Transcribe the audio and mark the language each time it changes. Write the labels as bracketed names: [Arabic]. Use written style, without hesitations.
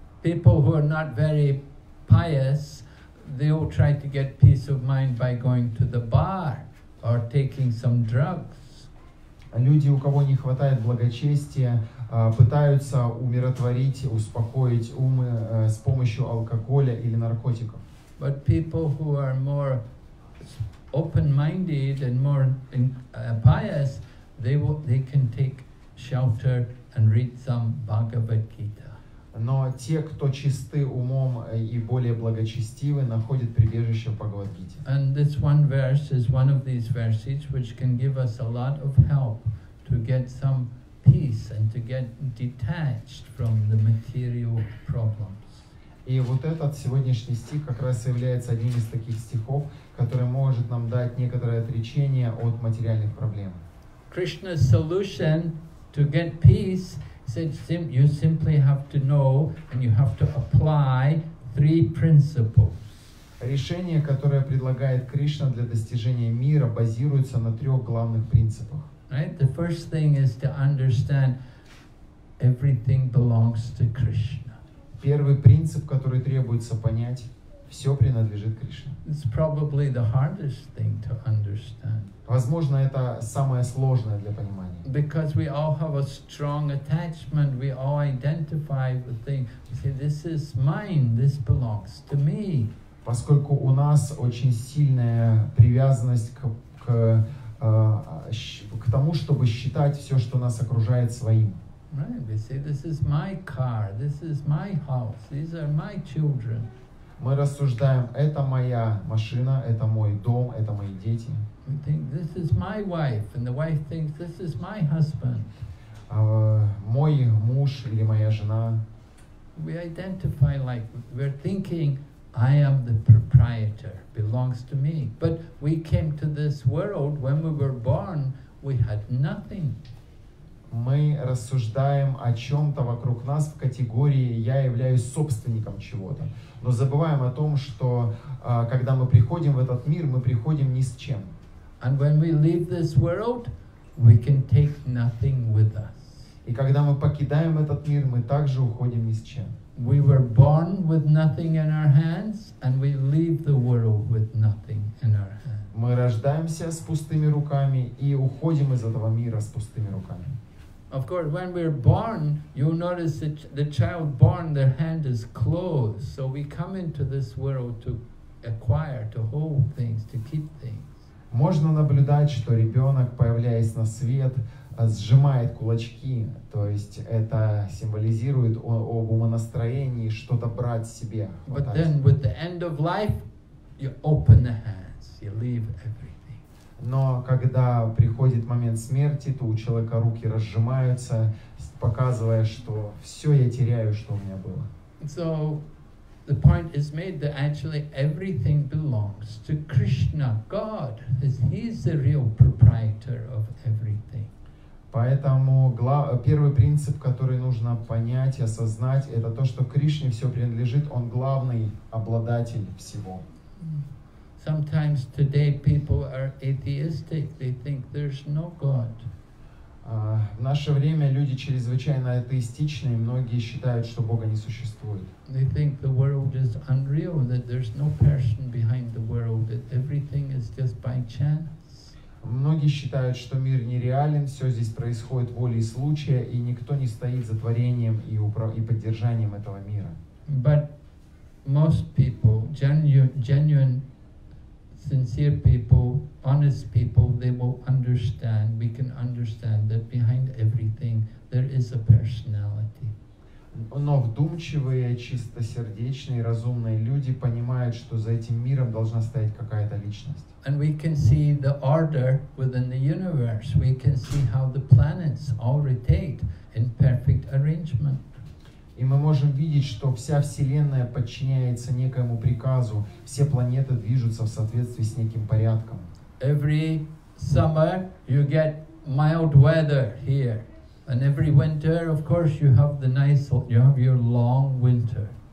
[English] People who are not very pious, they will try to get peace of mind by going to the bar or taking some drugs. [Russian] Люди, у кого не хватает благочестия, пытаются умиротворить, успокоить умы с помощью алкоголя или наркотиков. [English] But people who are more open-minded and more pious, they can take shelter and read some Bhagavad Gita. [Russian] Но те, кто чисты умом и более благочестивы, находят прибежище в Бхагавад-гите. [English] And this one verse is one of these verses which can give us a lot of help to get some peace and to get detached from the material problems. [Russian] И вот этот сегодняшний стих как раз является одним из таких стихов, который может нам дать некоторое отречение от материальных проблем. [English] Krishna's solution to get peace, you simply have to know and you have to apply three principles. [Russian] Решение, которое предлагает Кришна для достижения мира, базируется на трех главных принципах. [English] Right? The first thing is to understand everything belongs to Krishna. [Russian] Первый принцип, который требуется понять, все принадлежит Кришне. [English] It's probably the hardest thing to understand. [Russian] Возможно, это самое сложное для понимания. [English] Because we all have a strong attachment, we all identify with things. We say, this is mine, this belongs to me. [Russian] Поскольку у нас очень сильная привязанность к тому, чтобы считать все, что нас окружает, своим. [English] Right, we say, this is my car, this is my house, these are my children. [Russian] Мы рассуждаем, это моя машина, это мой дом, это мои дети. [English] We think, this is my wife, and the wife thinks, this is my husband. [Russian] Мой муж или моя жена. [English] We identify like, we're thinking, I am the proprietor, belongs to me. But we came to this world, when we were born, we had nothing. [Russian] Мы рассуждаем о чем-то вокруг нас в категории «я являюсь собственником чего-то». Но забываем о том, что когда мы приходим в этот мир, мы приходим ни с чем. [English] And when we leave this world, we can take nothing with us. [Russian] И когда мы покидаем этот мир, мы также уходим ни с чем. [English] We were born with nothing in our hands, and we leave the world with nothing in our hands. [Russian] Мы рождаемся с пустыми руками и уходим из этого мира с пустыми руками. [English] Of course, when we're born, you'll notice that the child born, their hand is closed. So we come into this world to acquire, to hold things, to keep things. [Russian] Можно наблюдать, что ребенок, появляясь на свет, сжимает кулачки. То есть это символизирует об умонастроении что-то брать себе. [English] But then, with the end of life, you open the hands, you leave everything. [Russian] Но когда приходит момент смерти, то у человека руки разжимаются, показывая, что все я теряю, что у меня было. [English] So the point is made that actually everything belongs to Krishna, God, as He is the real proprietor of everything. [Russian] Поэтому первый принцип, который нужно понять и осознать, это то, что Кришне все принадлежит, Он главный обладатель всего. [English] Sometimes today people are atheistic. They think there's no God. [Russian] В наше время люди чрезвычайно атеистичны, и многие считают, что Бога не существует. [English] They think the world is unreal, that there's no person behind the world, that everything is just by chance. [Russian] Многие считают, что мир нереален, все здесь происходит волей случая, и никто не стоит за творением и поддержанием этого мира. [English] But most people, genuine, sincere people, honest people, they will understand, we can understand that behind everything there is a personality. [Russian] Но вдумчивые, чистосердечные, разумные люди понимают, что за этим миром должна стоять какая-то личность. [English] And we can see the order within the universe. We can see how the planets all rotate in perfect arrangement. [Russian] И мы можем видеть, что вся Вселенная подчиняется некоему приказу. Все планеты движутся в соответствии с неким порядком. [English] Every summer you get mild weather here. And every winter, of course, you have the nice, you have your long winter.